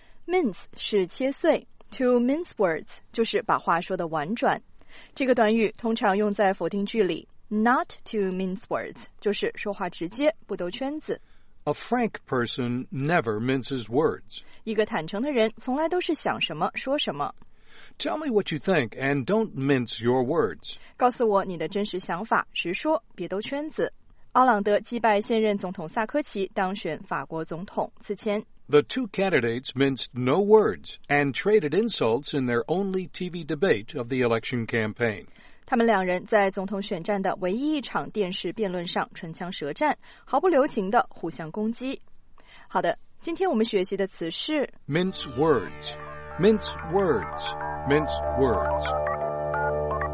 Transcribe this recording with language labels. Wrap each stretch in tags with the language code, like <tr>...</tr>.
<zh>Mince 是切碎，</zh> <en>to mince words</en> <zh>就是把话说得婉转。这个短语通常用在否定句里，</zh> <en>not to mince words</en> <zh>就是说话直接，不兜圈子。</zh> <en>A frank person never minces words.</en> <zh>一个坦诚的人从来都是想什么说什么。</zh> <en>Tell me what you think and don't mince your words.</en> <zh>告诉我你的真实想法，直说，别兜圈子。奥朗德击败现任总统萨科齐，当选法国总统。此前</zh> <en>The two candidates minced no words and traded insults in their only TV debate of the election campaign.</en> <zh>他们两人在总统选战的唯一一场电视辩论上唇枪舌战，毫不留情地互相攻击。好的，今天我们学习的词是</zh> <en>Mince words. Mince words. Mince words.</en>